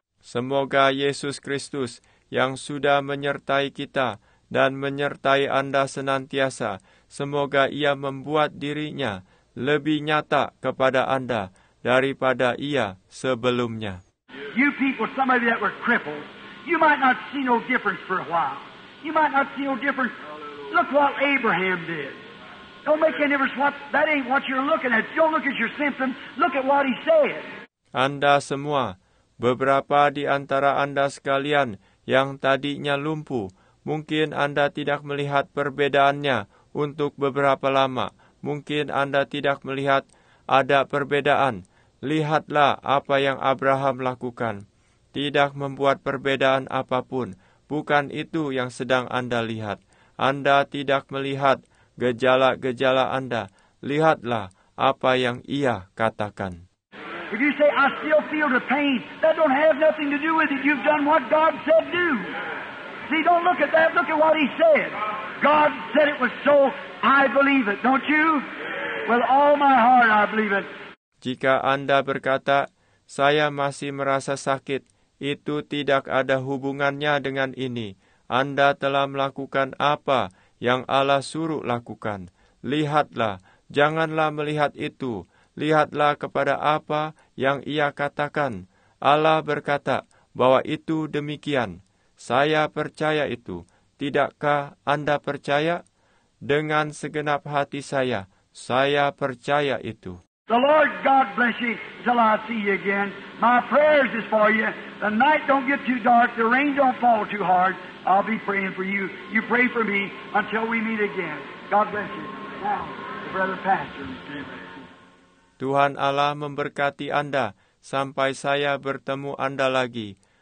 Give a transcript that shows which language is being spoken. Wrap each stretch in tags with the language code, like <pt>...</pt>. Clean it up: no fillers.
<id>Semoga Yesus Kristus yang sudah menyertai kita dan menyertai Anda senantiasa, semoga Ia membuat diri-Nya lebih nyata kepada Anda daripada Ia sebelumnya.</id> <en>You people, some of you that were crippled, you might not see no difference for a while. You might not see no difference. Look what Abraham did. Don't make any difference. That ain't what you're looking at. Don't look at your symptoms. Look at what he said.</en> <id>Anda semua, beberapa di antara Anda sekalian yang tadinya lumpuh, mungkin Anda tidak melihat perbedaannya untuk beberapa lama. Mungkin Anda tidak melihat ada perbedaan. Lihatlah apa yang Abraham lakukan. Tidak membuat perbedaan apapun. Bukan itu yang sedang Anda lihat. Anda tidak melihat gejala-gejala Anda. Lihatlah apa yang Ia katakan.</id> <en>If you say, I still feel the pain, that don't have nothing to do with it. You've done what God said do. See, don't look at that. Look at what He said. God said it was so, I believe it. Don't you? With all my heart, I believe it.</en> <id>Jika Anda berkata, saya masih merasa sakit, itu tidak ada hubungannya dengan ini. Anda telah melakukan apa yang Allah suruh lakukan. Lihatlah, janganlah melihat itu. Lihatlah kepada apa yang Ia katakan. Allah berkata bahwa itu demikian. Saya percaya itu. Tidakkah Anda percaya? Dengan segenap hati saya percaya itu.</id> <en>The Lord God bless you till I see you again. My prayers is for you. The night don't get too dark. The rain don't fall too hard. I'll be praying for you. You pray for me until we meet again. God bless you. Now, Brother Pastor.</en> <id>Tuhan Allah memberkati Anda sampai saya bertemu Anda lagi.</id>